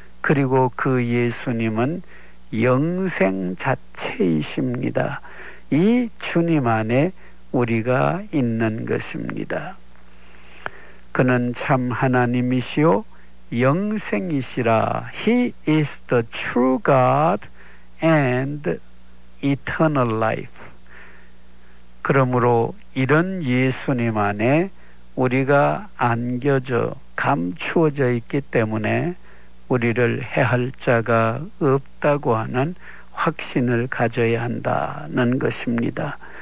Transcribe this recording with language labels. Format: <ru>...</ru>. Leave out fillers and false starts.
<ko>그리고 그 예수님은 영생 자체이십니다. 이 주님 안에 우리가 있는 것입니다. 그는 참 하나님이시오 영생이시라.</ko> <en>He is the true God and eternal life.</en> <ko>그러므로 이런 예수님 안에 우리가 안겨져 감추어져 있기 때문에 우리를 해할 자가 없다고 하는 확신을 가져야 한다는 것입니다.</ko>